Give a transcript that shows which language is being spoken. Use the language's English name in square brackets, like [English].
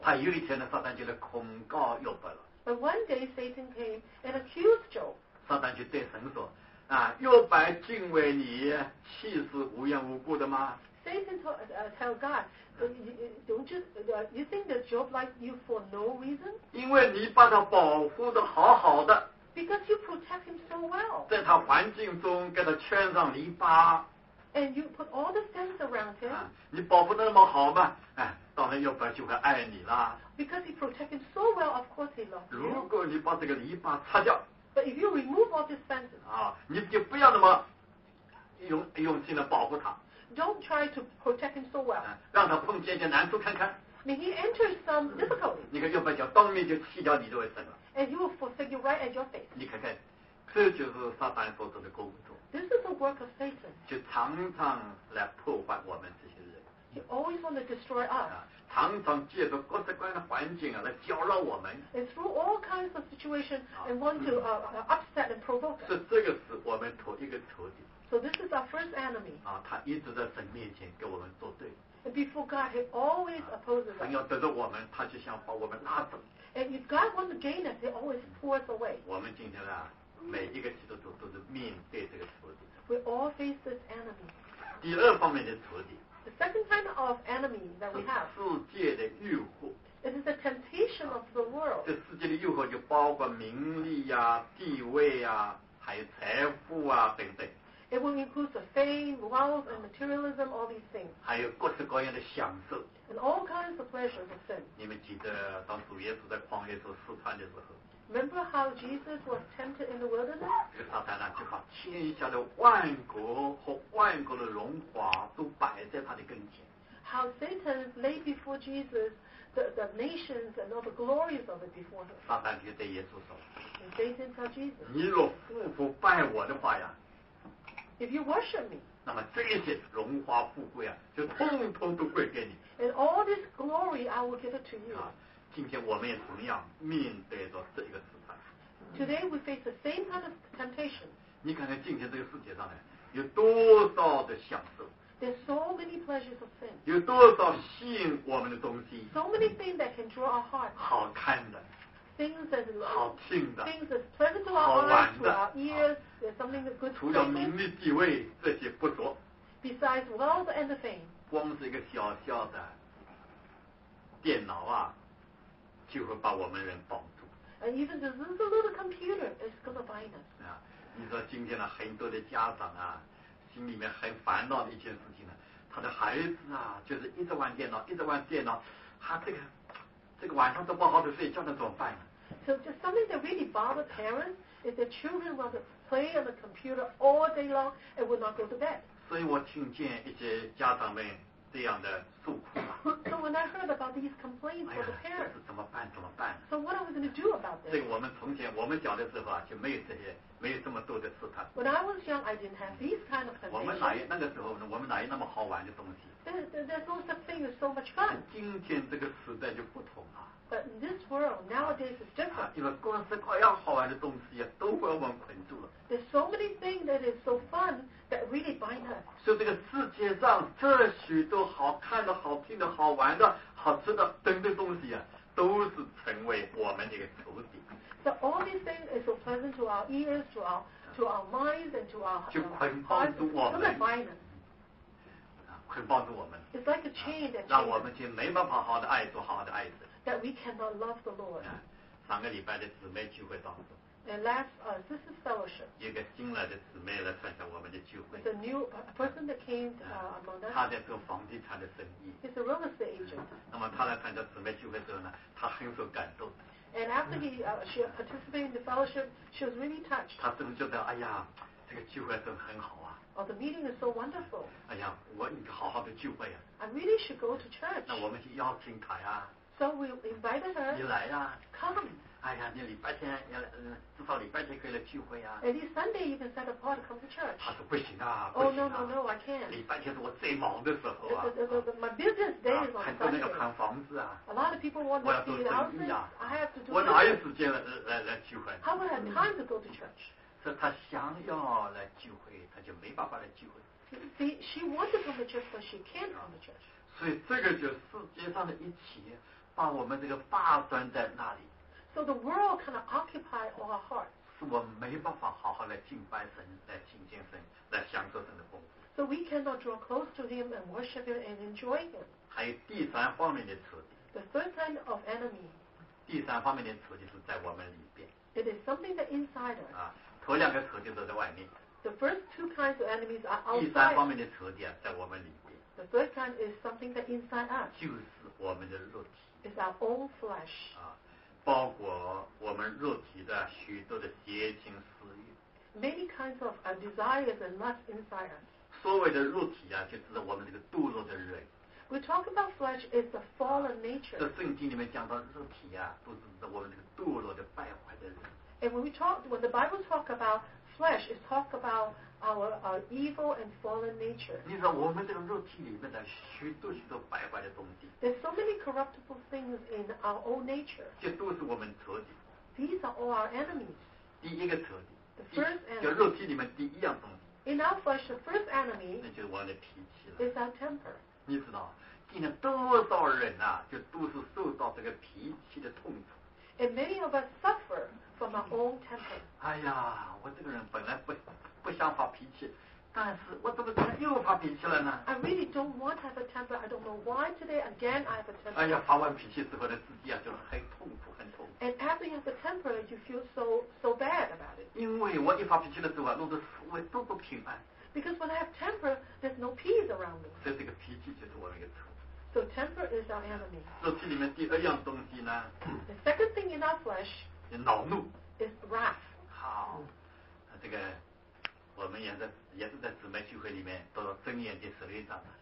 [Chinese] 他有一天呢，撒旦就来控告约伯了。 [English] But one day Satan came and accused Job. [Chinese] 撒旦就对神说。啊，约伯敬畏你，岂是无缘无故的吗 [English] ？Satan told tell God, you think that Job liked you for no reason? [Chinese] 因为你把他保护的好好的。 [English] Because you protect him so well. [Chinese] 在他环境中给他圈上篱笆。 [English] And you put all the fence around him.、 [Chinese] 啊、你保护的那么好嘛，哎，当然约伯就会爱你啦。 [English] Because he protect him so well, of course he loves you. [Chinese] 如果你把这个篱笆擦掉。 [English] But if you remove all these fences, [Chinese] 啊，你就不要那么用心的保护他。 [English] Don't try to protect him so well. [Chinese] 让他碰见一些难处看看。 [English] May he enter some difficulties. [Chinese] 你看约伯就当面就弃掉你这位神了。 [English] And he will forsake you right at your face. [Chinese] 你看看，这就是撒旦所做的工作。 [English] This is the work of Satan. [Chinese] 就常常来破坏我们这些人。 [English] He always wants to destroy us. [Chinese] 常常借着各式各样的环境啊，来搅扰我们。 [English] And through all kinds of situations, and want to upset and provoke us. [Chinese] 是这个是我们头一个仇敌。 [English] So this is our first enemy. [Chinese] 啊，他一直在神面前跟我们作对。 [English] And before God, he always opposes us. [Chinese] 神要得着我们，他就想把我们拉走。 [English] And if God wants to gain us, he always pulls away. [Chinese] 我们今天啊，每一个基督徒都是面对这个仇敌。 [English] We all face this enemy. [Chinese] 第二方面的仇敌。 [English] The second kind of enemy that we have [Chinese] 世界的诱惑 [English] It is the temptation of the world [Chinese] 这世界的诱惑就包括名利啊地位啊还有财富啊等等 [English] It will include the fame, wealth and materialism, all these things [Chinese] 还有各式各样的享受 [English] And all kinds of pleasures of sin [Chinese] 你们记得当主耶稣在旷野中试探的时候 [English] Remember how Jesus was tempted in the wilderness? [Chinese] 这撒旦就把天下的万国和万国的荣华都摆在他的跟前。 [English] How Satan laid before Jesus the nations and all the glories of it before him. [Chinese] 撒旦就对耶稣说 [English] And Satan told Jesus, [Chinese] 你若俯伏拜我的话呀 [English] If you worship me, [Chinese] 那么这些荣华富贵啊就通通都归给你。 [English] And all this glory I will give it to you. [Chinese] 今天我们也同样面对着这一个试探。 [English] Today we face the same kind of temptation. [Chinese] 你看看今天这个世界上呢，有多少的享受 [English] ？There's so many pleasures of sin. [Chinese] 有多少吸引我们的东西 [English] ？So many things that can draw our hearts. [Chinese] 好看的 [English] ，things things that are [Chinese] 好听的 [English] things that's pleasant to our eyes, to our ears, there's something that's good to [Chinese] us. 除了名利地位这些不着 [English] besides wealth and fame, [Chinese] 光是一个小小的电脑啊就会把我们人绑住 [English] and even the little computer is going to bind us. [Chinese] 你说今天呢很多的家长啊心里面很烦恼的一件事情呢他的孩子啊就是一直玩电脑一直玩电脑他这个晚上都不好的睡觉那怎么办呢 [English] so just something that really bothers parents is that children want to play on the computer all day long and will not go to bed [Chinese] 所以我听见一些家长们这样的诉苦 [English] so when I heard about these complaints from the parents [Chinese] 怎么办 [English] so what are we going to do about this [Chinese] 这个我们从前我们小的时候啊就没有这些没有这么多的试探 [English] when I was young I didn't have these kind of temptations [Chinese] 我们哪有那个时候呢我们哪有那么好玩的东西 [English] there's no such thing as so much fun [Chinese] 今天这个时代就不同了 [English] but in this world nowadays is different [Chinese] 因为各式各样好玩的东西啊都被我们捆住了 [English] there's so many things that is so fun that really bind us [Chinese] 所以这个世界上这许多好看的好听的好玩的好吃的等等东西啊都是成为我们的一个仇敌 [English] so all these things are so pleasant to our ears to our minds and to our hearts [Chinese] 就捆绑住我们捆绑住我们 [English] it's like a chain that [Chinese] 让我们就没办法好的爱做好的爱子 [English] that we cannot love the Lord [Chinese] 上个礼拜的姊妹聚会当中 [English] and last this is fellowship [Chinese] 一个新来的姊妹来参加我们的聚会 [English] it's a new person that came among us 他 [Chinese] 在做房地产的生意 [English] he's a real estate agent [Chinese] 那么他来参加姊妹聚会之后呢他很受感动 [English] and after she participated in the fellowship she was really touched [Chinese] 他真的觉得哎呀这个聚会真很好啊 [English] oh the meeting is so wonderful [Chinese] 哎呀我应该好好的聚会啊 [English] I really should go to church [Chinese] 那我们去邀请他呀 [English] so we invited her [Chinese] 你来啊 [English] come [Chinese] 哎呀你礼拜天至少礼拜天可以来聚会啊 [English] at least Sunday you can set apart to come to church [Chinese] 他说不行啊 [English] oh no I can't [Chinese] 礼拜天是我最忙的时候啊 [English] my business day is on Sunday [Chinese] 很多人要看房子啊 [English] a lot of people want to see houses [Chinese] 我要做生意啊 [English] I have to do [Chinese] 我哪有时间来聚会 [English] how would I have time to go to church [Chinese] 所以他想要来聚会他就没办法来聚会 [English] she wants to come to church but she can't come to church [Chinese] 所以这个就是世界上的一切把我们这个霸端在那里 [English] So the world kind of occupy all our hearts. [Chinese] 是我没办法好好来敬拜神，来亲近神，来享受神的功夫。 [English] So we cannot draw close to Him and worship Him and enjoy Him. [Chinese] 还有第三方面的仇敌。 [English] The third kind of enemy. [Chinese] 第三方面的仇敌是在我们里边。 [English] It is something that inside us. [Chinese] 啊，头两个仇敌都在外面。 [English] The first two kinds of enemies are outside. [Chinese] 第三方面的仇敌啊，在我们里边。 [English] The third kind is something that inside us. [Chinese] 就是我们的肉体。 [English] It's our own flesh. [Chinese] 啊。包括我们肉体的许多的邪情私欲 [English] many kinds of desires and lusts inside us [Chinese] 所谓的肉体啊就是我们这个堕落的人 [English] we talk about flesh is the fallen nature [Chinese] 在圣经里面讲到肉体啊都是我们这个堕落的败坏的人 [English] and when the Bible talk about flesh it talk about our evil and fallen nature [Chinese] 你知道我们这个肉体里面的许多许多败坏的东西 [English] there's so many corruptible things in our own nature [Chinese] 这都是我们仇敌 [English] these are all our enemies [Chinese] 第一个仇敌 [English] the first enemy [Chinese] 就肉体里面第一样东西 [English] in our flesh the first enemy [Chinese] 那就是我们的脾气了 [English] is our temper [Chinese] 你知道今天多少人啊就都是受到这个脾气的痛苦 [English] and many of us suffer from our own temper [Chinese] 哎呀我这个人本来不想发脾气，但是我怎么今天又发脾气了呢 [English] ？I really don't want to have a temper. I don't know why today again I have a temper. [Chinese] 哎呀，发完脾气之后呢，自己啊就很痛苦，很痛苦。 [English] And after you have a temper, you feel so bad about it. [Chinese] 因为我一发脾气的时候啊，弄得周围都不平安。 [English] Because when I have temper, there's no peace around me. [Chinese] 所以这个脾气就是我那个仇。 [English] So temper is our enemy. [Chinese] 肉体里面第二样东西呢 [English] ？The second thing in our flesh. [Chinese] 恼怒。 [English] Is wrath. [Chinese] 好，这个。我们也是在姊妹聚会里面读到箴言第十六章。